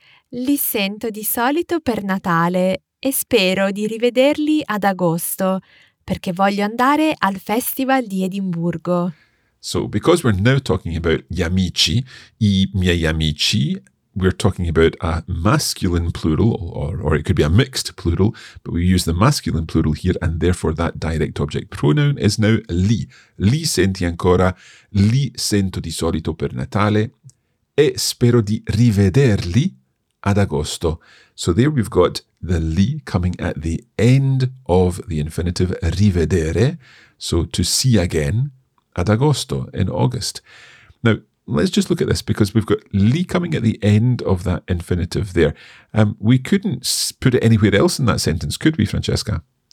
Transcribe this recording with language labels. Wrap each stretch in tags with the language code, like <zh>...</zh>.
<it>Li sento di solito per Natale e spero di rivederli ad agosto, perché voglio andare al Festival di Edimburgo.</it> <en>So, because we're now talking about</en> <it>gli amici, i miei amici,</it> <en>we're talking about a masculine plural, or it could be a mixed plural, but we use the masculine plural here, and therefore that direct object pronoun is now li.</en> <it>Li senti ancora, li sento di solito per Natale, e spero di rivederli ad agosto.</it> <en>So there we've got the li coming at the end of the infinitive rivedere, so to see again</en> <it>ad agosto,</it> <en>in August. Now, let's just look at this, because we've got li coming at the end of that infinitive there. We couldn't put it anywhere else in that sentence, could we, Francesca?</en>